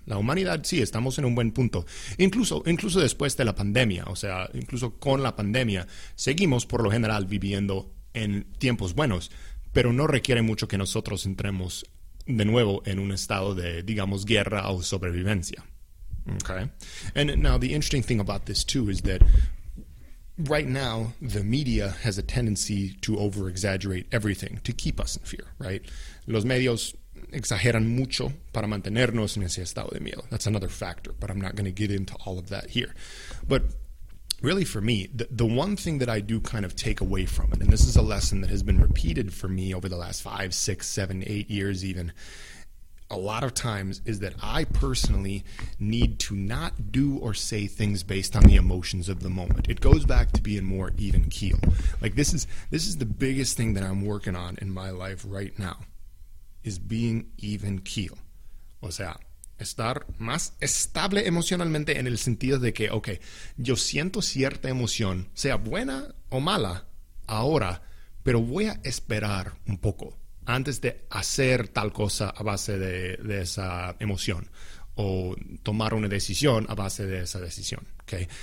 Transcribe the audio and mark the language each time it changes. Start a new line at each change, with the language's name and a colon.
Spanish: La humanidad sí, estamos en un buen punto. Incluso después de la pandemia, o sea, incluso con la pandemia, seguimos por lo general viviendo en tiempos buenos, pero no requiere mucho que nosotros entremos de nuevo en un estado de, digamos, guerra o sobrevivencia.
English: Okay. And now the interesting thing about this too is that right now, the media has a tendency to over-exaggerate everything to keep us in fear, right?
Spanish: Los medios exageran mucho para mantenernos en ese estado de miedo.
English: That's another factor, but I'm not going to get into all of that here. But really, for me, the one thing that I do kind of take away from it, and this is a lesson that has been repeated for me over the last 5, 6, 7, 8 years even, a lot of times, is that I personally need to not do or say things based on the emotions of the moment. It goes back to being more even keel. Like this is the biggest thing that I'm working on in my life right now, is being even keel.
Spanish: O sea, estar más estable emocionalmente en el sentido de que, okay, yo siento cierta emoción, sea buena o mala, ahora, pero voy a esperar un poco antes de hacer tal cosa a base de esa emoción o tomar una decisión a base de esa decisión, okay?